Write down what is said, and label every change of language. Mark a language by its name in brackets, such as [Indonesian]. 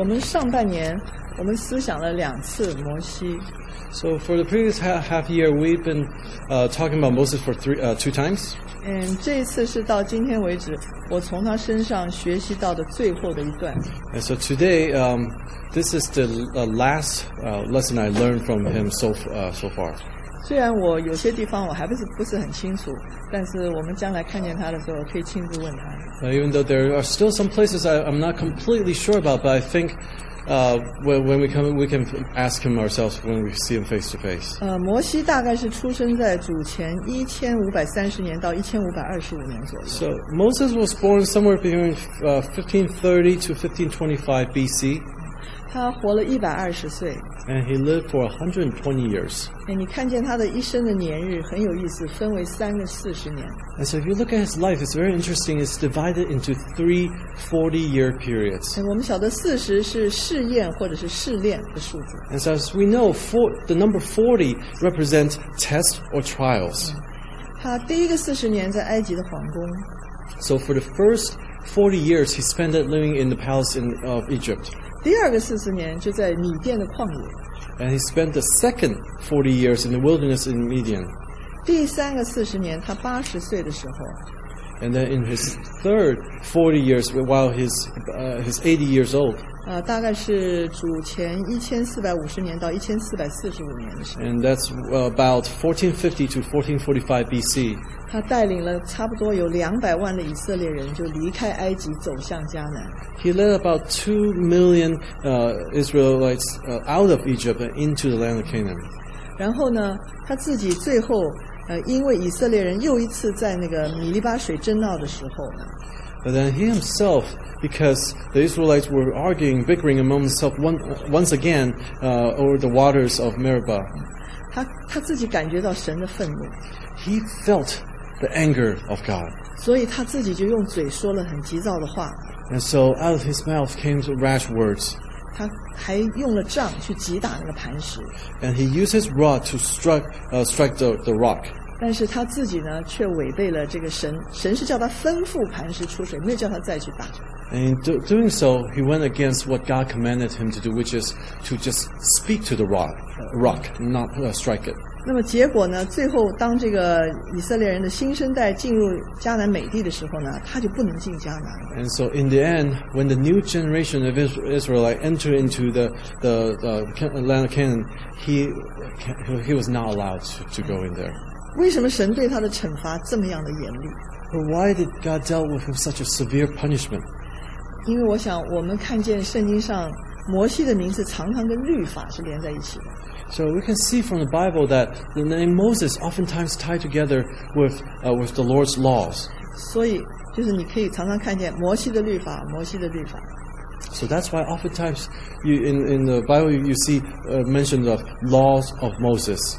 [Chinese] 我们上半年我们思想了两次摩西。 [English] So for the previous half year, we've been talking about Moses for two times. [Chinese] And 这一次是到今天为止，我从他身上学习到的最后的一段。 [English] And so today, this is the last lesson I learned from him so far. [Chinese] 虽然我有些地方我还不是很清楚，但是我们将来看见他的时候，可以亲自问他。 [English] Even though there are still some places I'm not completely sure about, but I think. When we come, we can ask him ourselves when we see him face to face. [Chinese] 摩西大概是出生在主前1530年到1525年左右。 [English] So Moses was born somewhere between 1530 to 1525 BC. [Chinese] 他活了120岁。 [English] And he lived for 120 years. [Chinese] 你看见他的一生的年日很有意思，分为三个四十年。 [English] And so if you look at his life, it's very interesting. It's divided into three 40-year periods. [Chinese] 我们晓得四十是试验或者是试炼的数字。 [English] And so as we know, the number 40 represents test or trials. [Chinese] 他第一个四十年在埃及的皇宫。 [English] So for the first 40 years, he spent it living in the palace of Egypt. [Chinese] 第二个四十年就在米甸的旷野。 [English] And he spent the second 40 years in the wilderness in Midian. [Chinese] 第三个四十年，他八十岁的时候。 [English] And then in his third 40 years, while he's 80 years old. [Chinese] 大概是主前1450年到1445年的时候。 [English] And that's about 1450 to 1445 BC. [Chinese] 他带领了差不多有200万的以色列人就离开埃及走向迦南。 [English] He led about 2 million Israelites out of Egypt and into the land of Canaan. [Chinese] 然后呢，他自己最后因为以色列人又一次在那个米利巴水争闹的时候呢。 [English] But then he himself, because the Israelites were arguing, bickering among themselves once again over the waters of Meribah. [Chinese] 他自己感觉到神的愤怒。 [English] He felt the anger of God. [Chinese] 所以他自己就用嘴说了很急躁的话。 [English] And so out of his mouth came the rash words. [Chinese] 他还用了杖去击打那个磐石。 [English] And he used his rod to strike the rock. [Chinese] 但是他自己呢，却违背了这个神。神是叫他吩咐磐石出水，没有叫他再去打。 [English] And in doing so, he went against what God commanded him to do, which is to just speak to the rock, not strike it. [Chinese] 那么结果呢？最后，当这个以色列人的新生代进入迦南美地的时候呢，他就不能进迦南了。 [English] And so, in the end, when the new generation of Israelite entered into the land of Canaan, he was not allowed to go in there. [Chinese] 为什么神对他的惩罚这么样的严厉？ [English] But why did God dealt with him such a severe punishment? [Chinese] 因为我想我们看见圣经上摩西的名字常常跟律法是连在一起的。 [English] So we can see from the Bible that the name Moses oftentimes tied together with the Lord's laws. [Chinese] 所以就是你可以常常看见摩西的律法，摩西的律法。 [English] So that's why oftentimes in the Bible you see mentioned of laws of Moses.